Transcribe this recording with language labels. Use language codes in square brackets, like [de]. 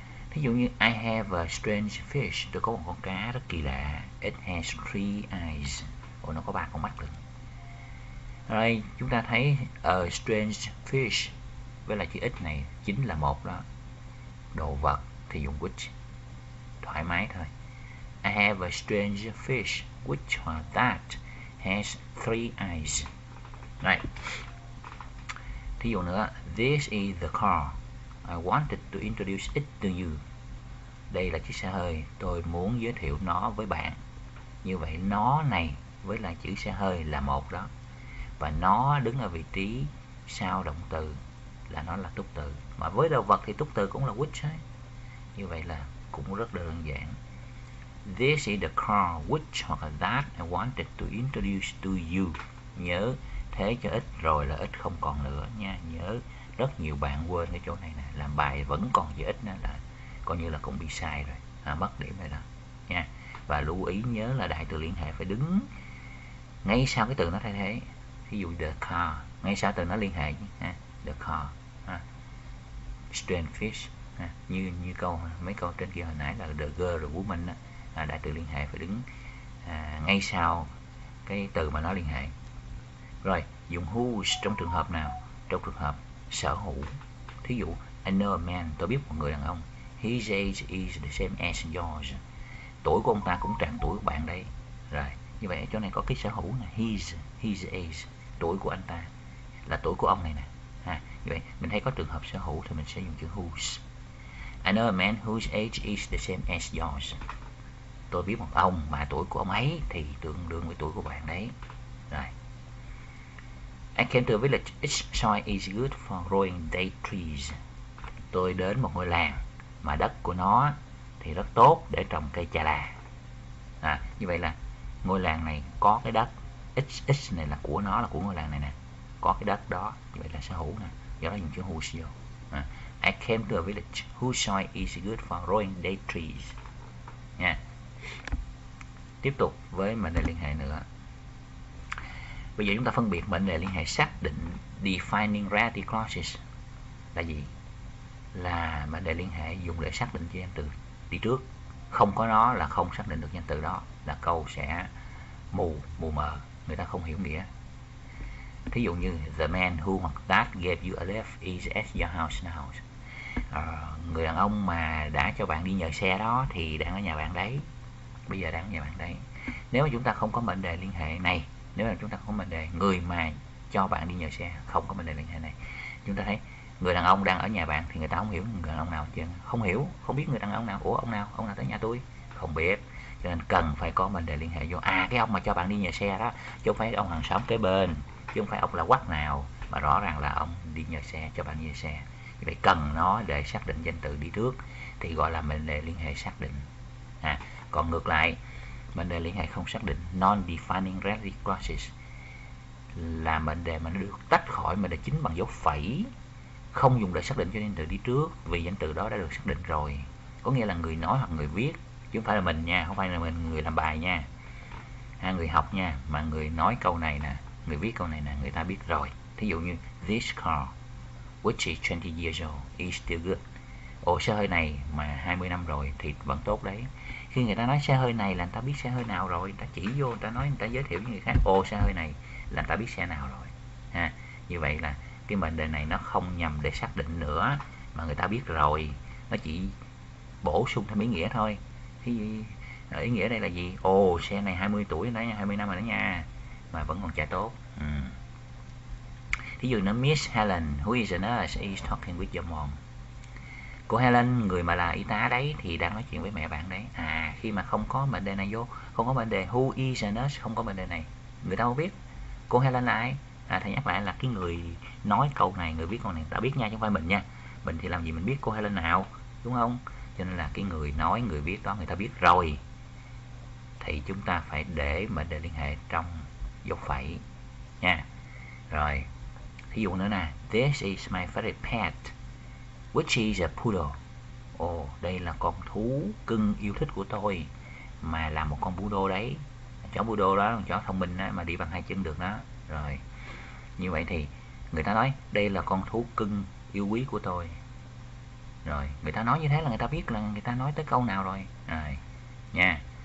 [vi] Thí dụ như [en] I have a strange fish, [vi] tôi có một con cá rất kỳ lạ. [en] It has three eyes. [vi] Ồ, nó có ba con mắt được. Rồi chúng ta thấy [en] a strange fish [vi] với lại chữ x này chính là một đó, đồ vật thì dùng which, thoải mái thôi. [en] I have a strange fish which or that has three eyes. [vi] Này, thí dụ nữa, [en] this is the car I wanted to introduce it to you. [vi] Đây là chiếc xe hơi tôi muốn giới thiệu nó với bạn. Như vậy nó này với lại chữ xe hơi là một đó, và nó đứng ở vị trí sau động từ là nó là túc từ, mà với đồ vật thì túc từ cũng là which ấy. Như vậy là cũng rất đơn giản. [en] This is the car which [vi] hoặc là [en] that I wanted to introduce to you. [vi] Nhớ thế cho ít rồi là ít không còn nữa nha. Nhớ rất nhiều bạn quên cái chỗ này nè, làm bài vẫn còn dễ ít nữa là coi như là cũng bị sai rồi, mất điểm rồi đó nha. Và lưu ý nhớ là đại từ liên hệ phải đứng ngay sau cái từ nó thay thế. Ví dụ the car ngay sau từ nó liên hệ ha, the car ha. Strange fish ha. Như như câu mấy câu trên kia hồi nãy là the girl, the woman đó. Đại từ liên hệ phải đứng ngay sau cái từ mà nó liên hệ. Rồi dùng whose trong trường hợp nào? Trong trường hợp sở hữu. Thí dụ [en] I know a man, [vi] tôi biết một người đàn ông. [en] His age is the same as yours. [vi] Tuổi của ông ta cũng trạng tuổi của bạn đấy. Rồi như vậy chỗ này có cái sở hữu là his age, tuổi của anh ta là tuổi của ông này nè. Như vậy mình thấy có trường hợp sở hữu thì mình sẽ dùng chữ whose. [en] I know a man whose age is the same as yours. [vi] Tôi biết một ông mà tuổi của ông ấy thì tương đương với tuổi của bạn đấy. [en] Rồi I came to a village, its soil is good for growing date trees. [vi] Tôi đến một ngôi làng mà đất của nó thì rất tốt để trồng cây trà là. Như vậy là ngôi làng này có cái đất, its này là của nó, là của ngôi làng này nè, có cái đất đó, như vậy là sở hữu nè, do đó dùng chữ whose vô. [en] I came to a village whose soil is good for growing date trees. [vi] Tiếp tục với mệnh đề liên hệ nữa. Bây giờ chúng ta phân biệt mệnh đề liên hệ xác định, defining relative clauses là gì? Là mệnh đề liên hệ dùng để xác định cho danh từ đi trước, không có nó là không xác định được danh từ đó, là câu sẽ mù mờ, người ta không hiểu nghĩa. Thí dụ như [en] the man who [vi] hoặc [en] that gave you a lift is at your house now. [vi] người đàn ông mà đã cho bạn đi nhờ xe đó thì đang ở nhà bạn đấy, bây giờ đang ở nhà bạn đấy. Nếu mà chúng ta không có mệnh đề liên hệ này, nếu mà chúng ta không có mệnh đề người mà cho bạn đi nhờ xe không có mệnh đề liên hệ này, chúng ta thấy người đàn ông đang ở nhà bạn thì người ta không hiểu người đàn ông nào chứ, không hiểu, không biết người đàn ông nào, ủa ông nào tới nhà tôi, không biết. Cho nên cần phải có mệnh đề liên hệ vô. À, cái ông mà cho bạn đi nhờ xe đó chứ không phải ông hàng xóm kế bên, chứ không phải ông là quắc nào, mà rõ ràng là ông đi nhờ xe, cho bạn đi nhờ xe. Như vậy cần nó để xác định danh từ đi trước thì gọi là mệnh đề liên hệ xác định. À, còn ngược lại, mệnh đề liên hệ không xác định, non-defining ready clauses, là mệnh đề mà nó được tách khỏi mệnh đề chính bằng dấu phẩy, không dùng để xác định cho danh từ đi trước vì danh từ đó đã được xác định rồi. Có nghĩa là người nói hoặc người viết, chứ không phải là mình nha, không phải là mình người làm bài nha, hay người học nha, mà người nói câu này nè, người viết câu này nè, người ta biết rồi. Thí dụ như [en] this car which is 20 years old is still good. [vi] Ồ, xe hơi này mà 20 năm rồi thì vẫn tốt đấy. Khi người ta nói xe hơi này là người ta biết xe hơi nào rồi, người ta chỉ vô, người ta nói, người ta giới thiệu với người khác, ồ xe hơi này là người ta biết xe nào rồi ha. Như vậy là cái mệnh đề này nó không nhằm để xác định nữa, mà người ta biết rồi, nó chỉ bổ sung thêm ý nghĩa thôi. Thì ý nghĩa đây là gì? Ồ, xe này 20 tuổi nữa nha, 20 năm rồi đó nha, mà vẫn còn chạy tốt. Thí dụ nó [en] Miss Helen, who is a nurse, is talking with your mom. [vi] Cô Helen, người mà là y tá đấy, thì đang nói chuyện với mẹ bạn đấy. À, khi mà không có mệnh đề này vô, không có mệnh đề [en] who is a nurse, [vi] không có mệnh đề này, người ta không biết cô Helen là ai. À, thầy nhắc lại là cái người nói câu này, người viết câu này, ta biết nha, chứ không phải mình nha. Mình thì làm gì mình biết cô Helen nào, đúng không? Cho nên là cái người nói, người viết đó, người ta biết rồi. Thì chúng ta phải để mệnh đề liên hệ trong dấu phẩy nha. Rồi, thí dụ nữa nè, [en] this is my favorite pet, which is a poodle. [vi] Ồ, đây là con thú cưng yêu thích của tôi, mà là một con poodle đấy. Chó poodle đó là chó thông minh đó, mà đi bằng hai chân được đó. Rồi, như vậy thì người ta nói đây là con thú cưng yêu quý của tôi. Rồi, người ta nói như thế là người ta biết là người ta nói tới câu nào rồi. Rồi, nha.